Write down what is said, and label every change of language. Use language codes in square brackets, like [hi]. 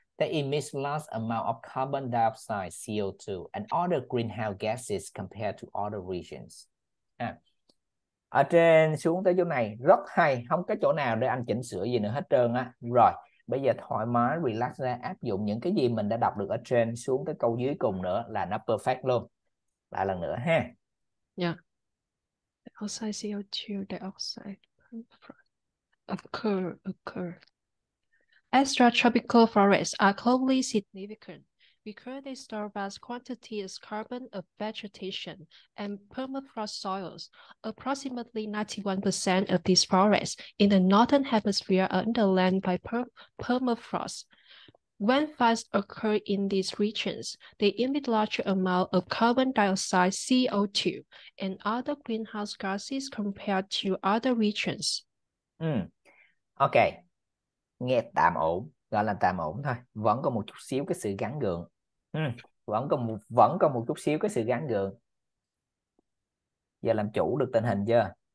[en] They emit large amount of carbon dioxide, CO2, and other greenhouse gases compared to other regions. [vi] Ở trên xuống tới chỗ này, rất hay. Không có chỗ nào để anh chỉnh sửa gì nữa hết trơn á. Rồi, bây giờ thoải mái, relax ra, áp dụng những cái gì mình đã đọc được ở trên xuống tới câu dưới cùng nữa là nó perfect luôn. Lại lần nữa ha. [en] Yeah. Oxide CO2 dioxide occur. Extratropical forests are globally significant because they store vast quantities of carbon of vegetation and permafrost soils. Approximately 91% of these forests in the northern hemisphere are underlain by permafrost. When fires occur in these regions, they emit larger amount of carbon dioxide CO2 and other greenhouse gases compared to other regions. [vi] Ok, nghe tạm ổn, gọi là tạm ổn thôi, vẫn còn một chút xíu cái sự gắn gượng. Vẫn còn một chút xíu cái sự gắn gượng. Giờ làm chủ được tình hình chưa?